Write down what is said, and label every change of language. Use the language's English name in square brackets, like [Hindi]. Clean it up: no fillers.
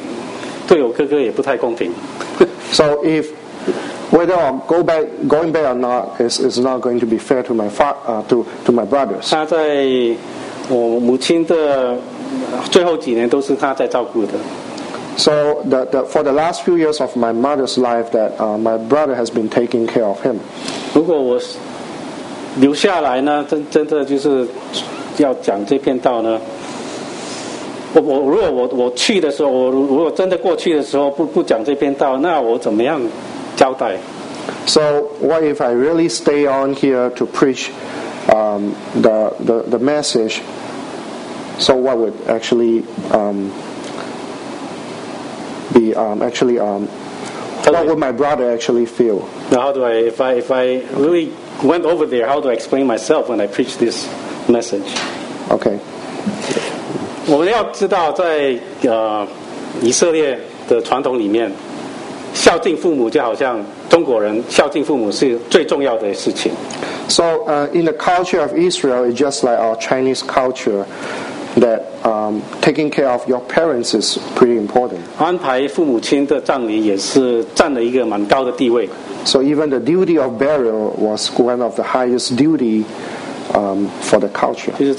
[Chinese] 回去，不回去，对我哥哥也不太公平。 [English] So if whether I'm going back or not is not going to be fair to my brothers. [Chinese] 他在我母亲的 最后几年都是他在照顾的。 [English] So for the last few years of my mother's life, that my brother has been taking care of him. [Chinese] 如果我留下来呢，真的就是要讲这篇道呢。我如果我去的时候，我如果真的过去的时候不讲这篇道，那我怎么样交代 [English] ？So what if I really stay on here to preach the message? So what would actually be actually what would my brother actually feel? Now how do I if I really went over there, how do I explain myself when I preach this message? Okay. [Chinese] 我们要知道在 以色列的传统里面， 孝敬父母就好像中国人孝敬父母是最重要的事情。 [English] So in the culture of Israel, it's just like our Chinese culture, that taking care of your parents is pretty important. [Chinese] 安排父母亲的葬礼也是占了一个蛮高的地位。 [English] So even the duty of burial was one of the highest duty for the culture.